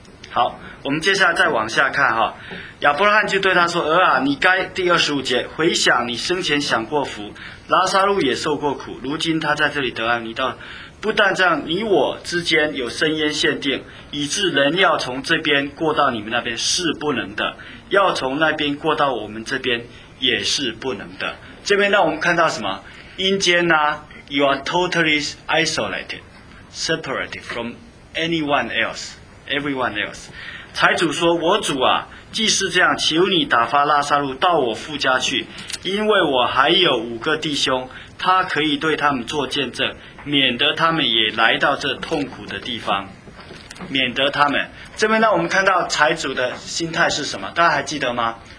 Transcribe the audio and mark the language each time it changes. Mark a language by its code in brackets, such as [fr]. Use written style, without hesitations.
[zh] 好，我们接下来再往下看哈。亚伯拉罕就对他说：“儿啊，你该第二十五节回想你生前享过福，拉撒路也受过苦，如今他在这里得安。你到不但这样，你我之间有深渊限定，以致人要从这边过到你们那边是不能的，要从那边过到我们这边也是不能的。” 这边让我们看到什么？阴间呢？ [en] You are totally isolated, separated from anyone else, everyone else. [zh] 财主说：“我主啊，既是这样，求你打发拉撒路到我父家去，因为我还有五个弟兄，他可以对他们做见证，免得他们也来到这痛苦的地方，免得他们。” 这边呢，我们看到财主的心态是什么？大家还记得吗？